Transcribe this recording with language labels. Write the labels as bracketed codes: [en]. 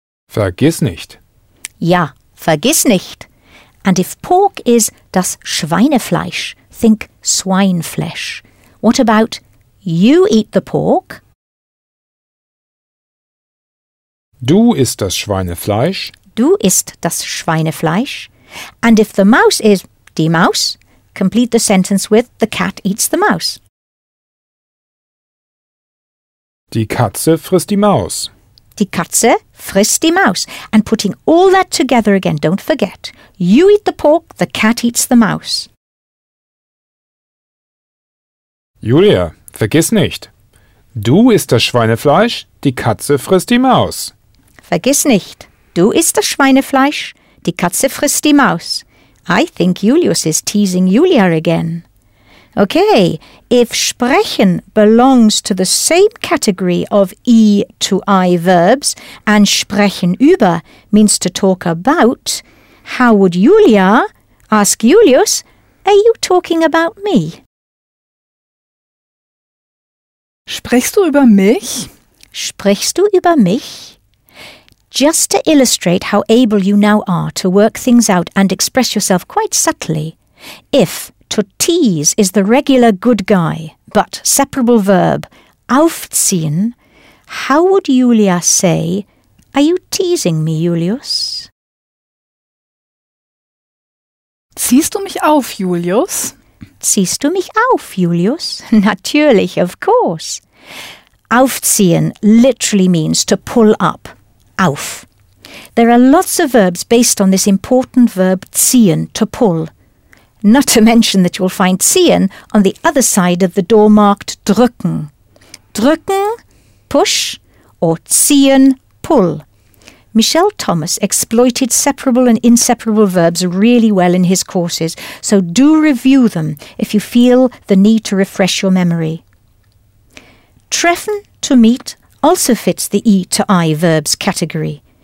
[de] Vergiss nicht. Ja, vergiss nicht. [en] And if pork is [de] das Schweinefleisch, [en] think swine flesh. What about, you eat the pork? [de] Du isst das Schweinefleisch. Du isst das Schweinefleisch. [en] And if the mouse is [de] die Maus, [en] complete the sentence with the cat eats the mouse. [de] Die Katze frisst die Maus. Die Katze frisst die Maus. [en] And putting all that together again, don't forget. You eat the pork, the cat eats the mouse. [de] Julia, vergiss nicht. Du isst das Schweinefleisch, die Katze frisst die Maus. Vergiss nicht. Du isst das Schweinefleisch, die Katze frisst die Maus. [en] I think Julius is teasing Julia again. Okay, if sprechen belongs to the same category of E to I verbs and sprechen über means to talk about, how would Julia ask Julius, are you talking about me? [de] Sprichst du über mich? Sprichst du über mich? [en] Just to illustrate how able you now are to work things out and express yourself quite subtly, if to tease is the regular good guy, but separable verb, aufziehen, how would Julia say, are you teasing me, Julius? [de] Ziehst du mich auf, Julius? Ziehst du mich auf, Julius? Natürlich, [en] of course. Aufziehen literally means to pull up. Auf. There are lots of verbs based on this important verb ziehen, to pull. Not to mention that you'll find ziehen on the other side of the door marked drücken. Drücken, push, or ziehen, pull. Michelle Thomas exploited separable and inseparable verbs really well in his courses, so do review them if you feel the need to refresh your memory. Treffen, to meet, also fits the E to I verbs category.